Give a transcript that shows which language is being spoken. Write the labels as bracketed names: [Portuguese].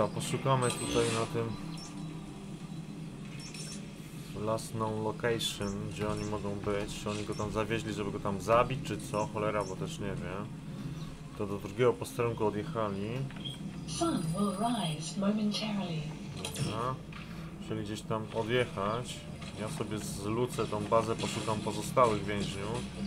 [Polish] Szukamy tutaj na tym [English] last known location, [Polish] gdzie oni mogą być, czy oni go tam zawieźli, żeby go tam zabić, czy co, cholera, bo też nie wiem. To do drugiego posterunku odjechali. [English] Sun will rise momentarily. [Polish] Dobra. Musieli gdzieś tam odjechać. Ja sobie zlucę tą bazę, poszukam pozostałych więźniów.